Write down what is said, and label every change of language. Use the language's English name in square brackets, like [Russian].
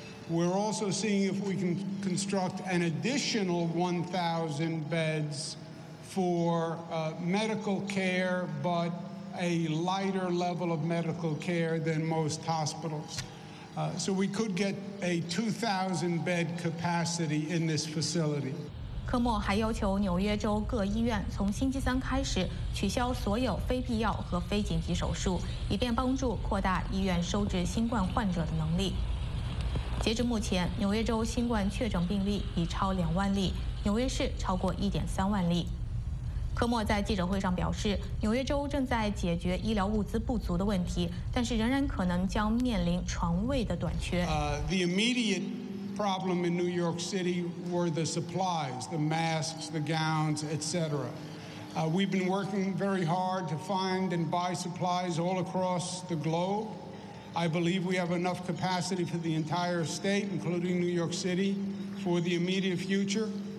[English] We're also seeing if we can construct an additional 1,000 beds for medical care, but a lighter level of medical care than most hospitals. So we could get a 2,000 bed capacity in this facility. [Chinese] 科莫还要求纽约州各医院从星期三开始取消所有非必要和非紧急手术，以便帮助扩大医院收治新冠患者的能力。截至目前，纽约州新冠确诊病例已超20,000例，纽约市超过1.3万例。科莫在记者会上表示，纽约州正在解决医疗物资不足的问题，但是仍然可能将面临床位的短缺。 [English] The problem in New York City were the supplies, the masks, the gowns, etc. We've been working very hard to find and buy supplies all across the globe. I believe we have enough capacity for the entire state, including New York City, for the immediate future.